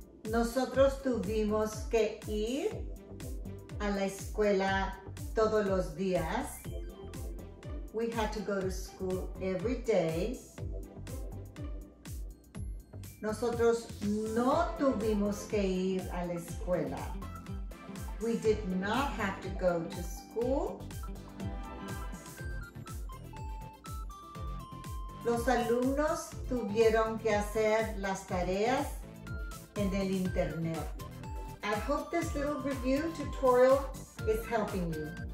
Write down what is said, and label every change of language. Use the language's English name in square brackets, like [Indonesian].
[Spanish] Nosotros tuvimos que ir a la escuela todos los días. [English] We had to go to school every day. [Spanish] Nosotros no tuvimos que ir a la escuela. [English] We did not have to go to school. [Spanish] Los alumnos tuvieron que hacer las tareas en el internet. [English] I hope this little review tutorial is helping you.